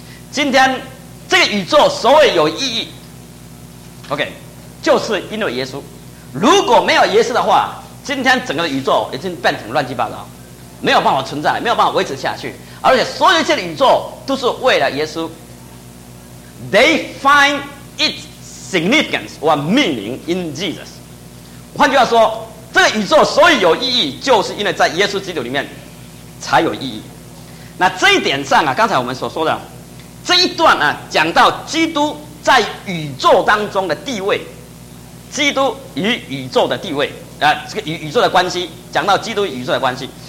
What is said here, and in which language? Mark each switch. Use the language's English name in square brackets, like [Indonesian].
[Chinese] 今天这个宇宙所谓有意义 OK， 就是因为耶稣。如果没有耶稣的话，今天整个的宇宙已经变成乱七八糟，没有办法存在，没有办法维持下去。而且所有一切的宇宙都是为了耶稣。 [English] They find its significance or meaning in Jesus。 [Chinese] 换句话说，这个宇宙所以有意义，就是因为在耶稣基督里面才有意义。那这一点上啊，刚才我们所说的这一段啊，讲到基督在宇宙当中的地位，基督与宇宙的地位啊，这个与宇宙的关系，讲到基督与宇宙的关系。